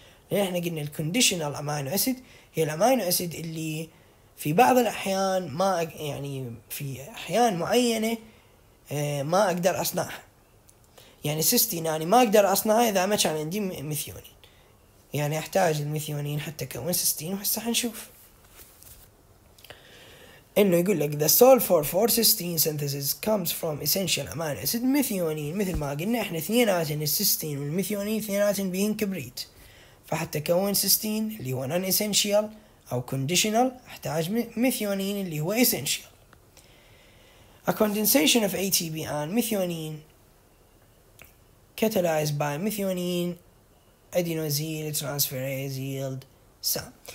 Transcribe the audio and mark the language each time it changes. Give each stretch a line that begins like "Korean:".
Arabic: يعني احنا قلنا الكونديشنال امينو اسيد هي الامينو اسيد اللي في بعض الاحيان ما يعني في احيان معينه ما اقدر اصنعها. يعني سيستين اني ما اقدر اصنعها اذا ما كان عندي ميثيونين، يعني احتاج الميثيونين حتى كون سيستين. وهسه حنشوف انه يقول لك
English: the sulfur for cysteine synthesis comes from essential amino acid methionine.
Arabic: مثل ما قلنا احنا اثنيناتن السيستين والميثيونين اثنيناتن بهن كبريت، فحتى كون سيستين اللي هو non essential او conditional احتاج ميثيونين اللي هو essential.
English: a condensation of ATP and methionine catalyzed by methionine
Arabic: ادينوزيل ترانسفيريز يلد سام.